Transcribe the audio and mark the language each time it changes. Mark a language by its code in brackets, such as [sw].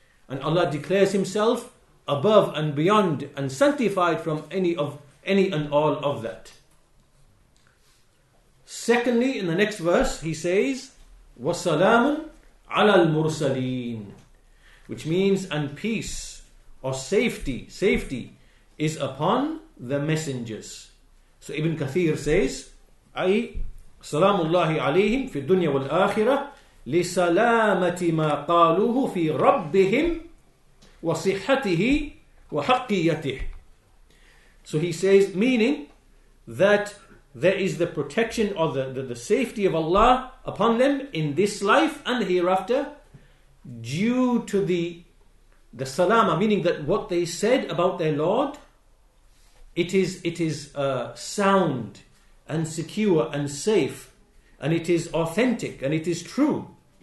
[en] And Allah declares Himself above and beyond and sanctified from any and all of that. Secondly, in the next verse, He says, [ar] وَسَلَامٌ عَلَى الْمُرْسَلِينَ, [en] which means, and peace or safety is upon the messengers. So Ibn Kathir says, [ar] أي سلام الله عليهم في الدنيا والآخرة لسلامة ما قالوه في ربهم وصحته وحقيته. [en] So he says, meaning that there is the protection or the safety of Allah upon them in this life and hereafter due to the salama, meaning that what they said about their Lord, it is sound and secure and safe, and it is authentic and it is true.